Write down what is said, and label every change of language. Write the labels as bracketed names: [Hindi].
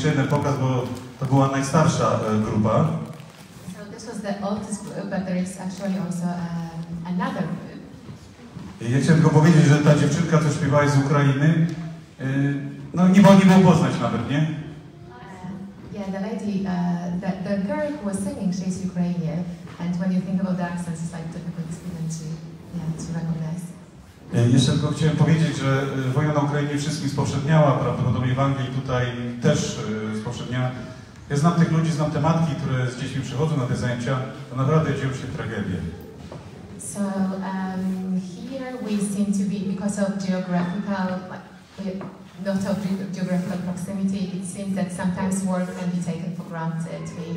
[Polish] Pokaz, bo to była najstarsza grupa. [English] So this was the oldest group, but there is actually also another group. [Polish] Ja chciałem tylko powiedzieć, że ta dziewczynka, co śpiewała, z Ukrainy, no nie było, nie było poznać nawet, nie? [English] Yeah, the lady, the girl who was singing, she is Ukrainian, and when you think about the accents, it's like difficult to even to recognize. [Polish] Jeszcze tylko chciałem powiedzieć, że wojna na Ukrainie wszystkich spowszedniała, prawdopodobnie w Anglii tutaj też spowszedniała. Ja znam tych ludzi, znam te matki, które z dziećmi przychodzą na te zajęcia, to naprawdę dzieją się tragedie. [English] So here we seem to be, because of geographical, not of geographical proximity, it seems that sometimes war can be taken for granted.